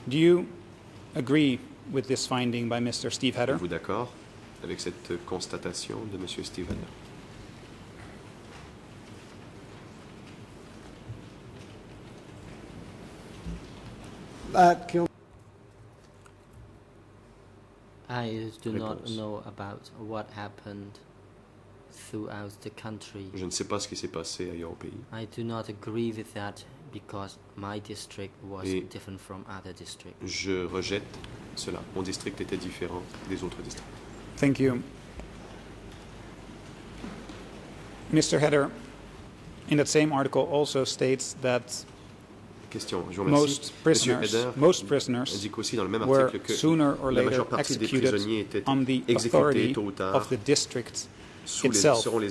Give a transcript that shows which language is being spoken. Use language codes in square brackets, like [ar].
[en] Do you agree with this finding by Mr. Steve Heder? [fr] Vous d'accord avec cette constatation de Monsieur Steve Heder? [en] I do not know about what happened throughout the country. [fr] Je ne sais pas ce qui s'est passé ailleurs au pays. [en] I do not agree with that because my district was different from other districts. [fr] Je rejette cela. Mon district était différent des autres districts. [en] Thank you. Mr. Heder, in that same article, also states that most prisoners were sooner or later executed on the authority of the district itself.